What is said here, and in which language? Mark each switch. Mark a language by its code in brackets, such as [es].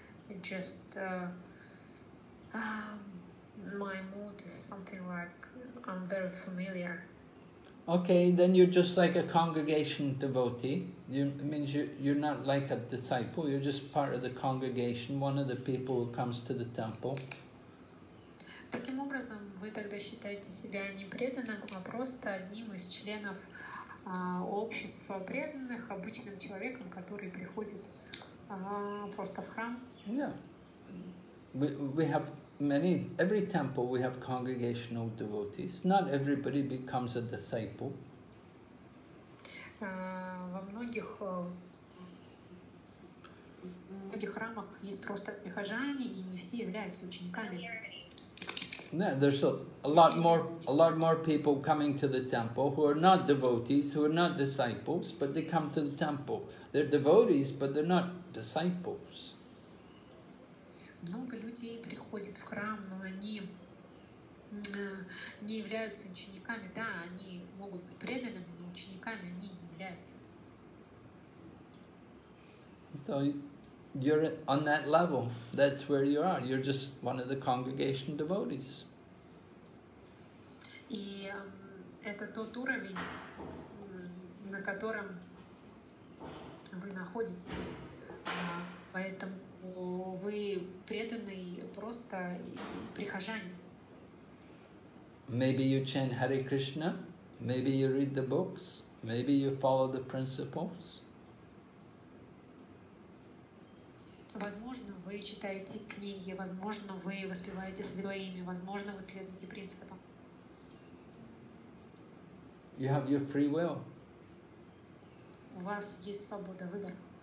[en] It just my mood is something like I'm very familiar. Okay, then you're just like a congregation devotee. You, it means you're not like a disciple. You're just part of the congregation, one of the people who comes to the temple. [ru] Таким образом, вы тогда считаете себя не преданным, а просто одним из членов общества преданных, обычным человеком, который приходит просто в храм. [en] Yeah. We have many, every temple we have congregational devotees. Not everybody becomes a disciple. [ru] Во многих храмах есть просто прихожане, и не все являются учениками. [en] Yeah, there's a lot more people coming to the temple who are not devotees, who are not disciples, but they come to the temple. They're devotees, but they're not disciples. [ru] Много людей приходит в храм, но они не являются учениками. Да, они могут быть преданными, но учениками они не являются. [en] So you're on that level. That's where you are. You're just one of the congregation devotees. [ru] И это тот уровень, на котором вы находитесь, поэтому вы преданный просто прихожанин. [en] Maybe you chant Hare Krishna, maybe you read the books, maybe you follow the principles. [ru] Возможно, вы читаете книги, возможно, вы воспеваете святое, возможно, вы следуете принципам. You have your free will. вас есть свобода выбора.